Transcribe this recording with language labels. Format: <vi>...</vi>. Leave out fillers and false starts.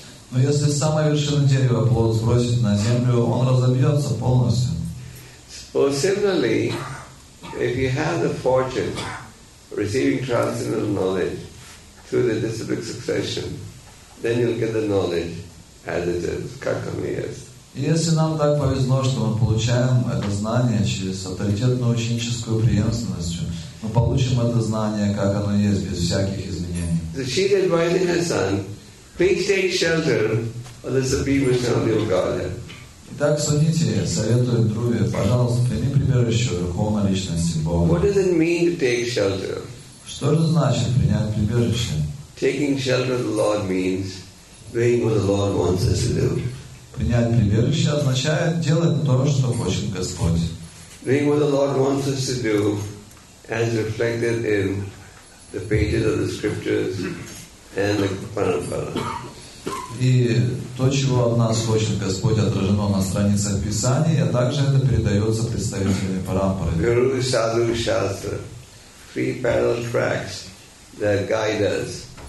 <ru>Но если с самой вершины дерева плод сбросить на землю, он разобьется полностью.</ru> <en>So similarly, if you have the fortune receiving transcendental knowledge through the disciplic succession, then you'll get the knowledge as it is,</en> <ru>как оно есть. Если нам так повезло, что мы получаем это знание через авторитетную ученическую преемственность, мы получим это знание, как оно есть, без всяких изменений.</ru> <en>So she's advising her son, please take shelter of the Supreme Personality of Godhead.</en> <ru>Итак, Суните советует Друве, пожалуйста, прими прибежище Верховной Личности Бога.</ru> <en>What does it mean to take shelter?</en> <ru>Что же значит принять прибежище?</ru> <en>Taking shelter of the Lord means doing what the Lord wants us to do.</en> <ru>Принять прибежище означает делать то, что хочет Господь.</ru> <en>Doing what the Lord wants us to do, as reflected in the pages of the scriptures and the parampara.</en> <ru>И то, чего от нас хочет Господь, отражено на страницах Писания, а также это передается представителями парампары.</ru> <en>Guru, sadhu, shastra, three parallel tracks that guide us.</en>